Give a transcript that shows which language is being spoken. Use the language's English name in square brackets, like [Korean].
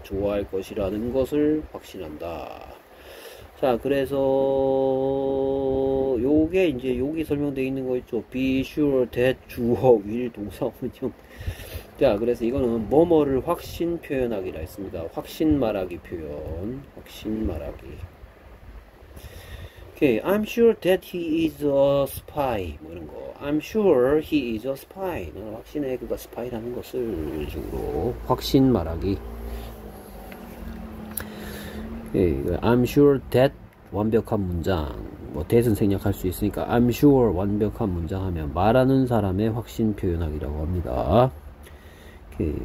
[Korean] 좋아할 것이라는 것을 확신한다. 자, 그래서 요게 이제 여기 설명되어 있는 거 있죠. [English] Be sure that [Korean] 주어 [English] will [Korean] 동사 운용. 자, 그래서 이거는 뭐뭐를 확신 표현하기라 했습니다. 확신 말하기 표현. 확신 말하기. [English] Okay, I'm sure that he is a spy. [Korean] 뭐 이런 거. [English] I'm sure he is a spy. [Korean] 나는 확신해 그가 스파이라는 것을 중으로 확신 말하기. [English] I'm sure that [Korean] 완벽한 문장. 뭐 that은 생략할 수 있으니까 [English] I'm sure [Korean] 완벽한 문장 하면 말하는 사람의 확신 표현하기라고 합니다. 오케이.